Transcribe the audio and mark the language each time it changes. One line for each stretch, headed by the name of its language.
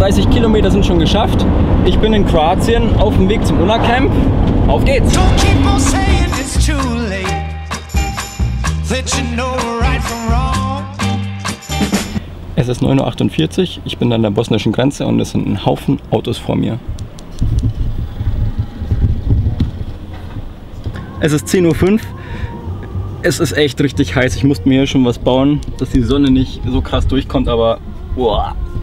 German: Kilometer sind schon geschafft. Ich bin in Kroatien auf dem Weg zum Unacamp. Auf geht's!
English: Don't keep on saying it's too late, that you know right from wrong.
German: Es ist 9.48 Uhr, ich bin an der bosnischen Grenze und es sind ein Haufen Autos vor mir. Es ist 10.05 Uhr. Es ist echt richtig heiß. Ich musste mir hier schon was bauen, dass die Sonne nicht so krass durchkommt, aber boah.